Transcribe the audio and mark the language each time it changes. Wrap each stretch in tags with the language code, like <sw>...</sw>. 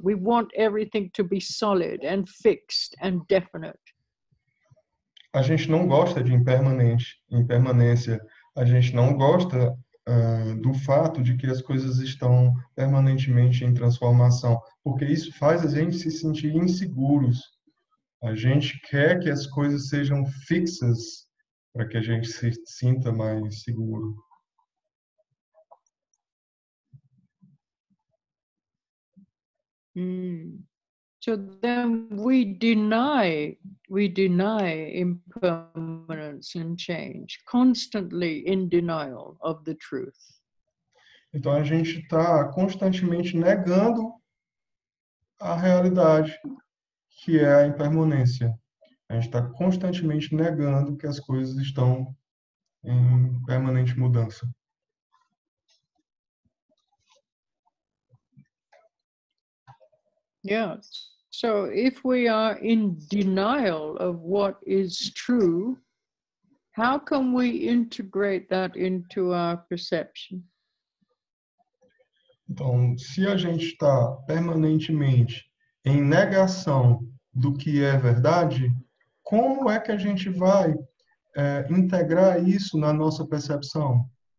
<en>We want everything to be solid and fixed and definite.</en> <pt>A gente não gosta de impermanência. A gente não gosta do fato de que as coisas estão permanentemente em transformação, porque isso faz a gente se sentir inseguros. A gente quer que as coisas sejam fixas para que a gente se sinta mais seguro.</pt> <en>So then we deny impermanence and change, constantly in denial of the truth.</en> <pt>Então a gente está constantemente negando a realidade, que é a impermanência. A gente está constantemente negando que as coisas estão em permanente mudança.</pt> <en>Yes. So if we are in denial of what is true, how can we integrate that into our perception?</en> <pt>Então, se a gente está permanentemente em negação do que é verdade, como é que a gente vai integrar isso na nossa percepção?</pt>